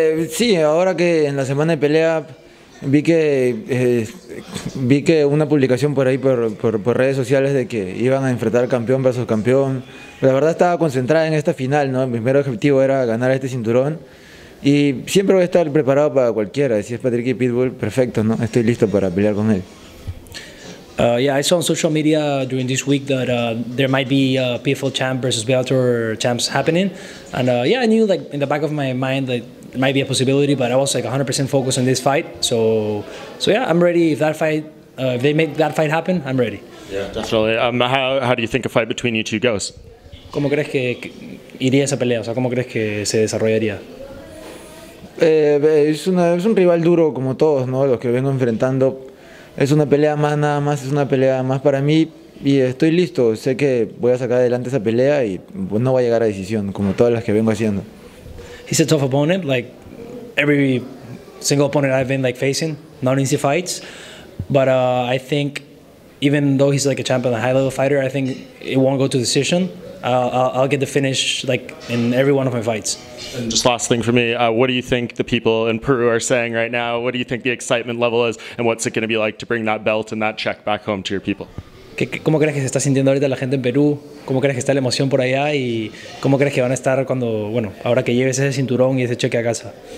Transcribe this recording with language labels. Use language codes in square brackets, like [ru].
[es] Sí, ahora que en la semana de pelea vi que una publicación por ahí por redes sociales de que iban a enfrentar al campeón versus campeón. La verdad, estaba concentrada en esta final, ¿no? Mi primer objetivo era ganar este cinturón y siempre voy a estar preparado para cualquiera. Si es Patrick y Pitbull, perfecto, ¿no? Estoy listo para pelear con él. [en] I saw on social media during this week that there might be a PFL champ versus Bellator champs happening, and I knew, like, in the back of my mind that it might be a possibility, but I was like 100% focused on this fight. So I'm ready. If that fight, if they make that fight happen, I'm ready. Yeah, definitely. How do you think a fight between you two goes? [es] ¿Cómo crees que iría esa pelea? O sea, ¿cómo crees que se desarrollaría? Es un rival duro como todos, ¿no? Los que vengo enfrentando. Es una pelea más, nada más, es una pelea más para mí y estoy listo. Sé que voy a sacar adelante esa pelea y no voy a llegar a decisión, como todas las que vengo haciendo. [en] He's a tough opponent, like every single opponent I've been like facing, not easy fights. But I think, even though he's like a champion, a high level fighter, I think it won't go to decision. I'll get the finish like in every one of my fights. And just last thing for me, what do you think the people in Peru are saying right now? What do you think the excitement level is, and what's it going to be like to bring that belt and that check back home to your people? [es] ¿Cómo crees que se está sintiendo ahorita la gente en Perú? ¿Cómo crees que está la emoción por allá? ¿Y cómo crees que van a estar cuando, bueno, ahora que lleves ese cinturón y ese cheque a casa?